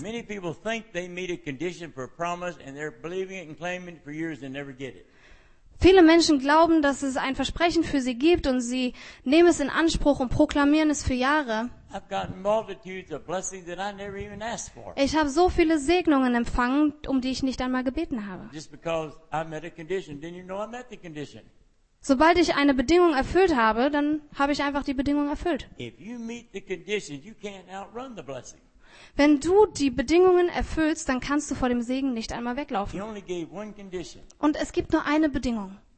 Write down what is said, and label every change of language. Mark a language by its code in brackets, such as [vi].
[en] Many people think they meet a condition for a promise and they're believing it and claiming it for years and never get it. [de] Viele Menschen glauben, dass es ein Versprechen für sie gibt und sie nehmen es in Anspruch und proklamieren es für Jahre. [en] I've gotten multitudes of blessings that I never even asked for. [de] Ich habe so viele Segnungen empfangen, um die ich nicht einmal gebeten habe. [en] Just because I met a condition, didn't you know I met the condition? [de] Sobald ich eine Bedingung erfüllt habe, dann habe ich einfach die Bedingung erfüllt. Wenn du die Bedingungen erfüllst, dann kannst du vor dem Segen nicht einmal weglaufen. Und es gibt nur eine Bedingung.